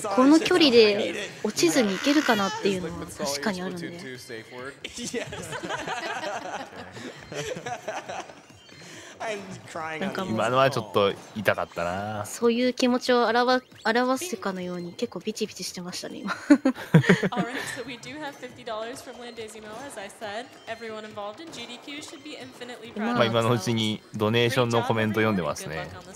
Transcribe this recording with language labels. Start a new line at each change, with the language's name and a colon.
Japanese: この距離で落ちずにいけるかなっていうのは確かにあるんで。
English: Yes! I'm crying on you.
Japanese: 今のはちょっと痛かったな。そういう気持ちを表すかのように結構ビチビチしてましたね、今。
English: Alright, so we do have $50 from Landezimo, as I said. Everyone involved in GDQ should be infinitely proud of themselves.
Japanese: 今のうちにドネーションのコメント読んでますね。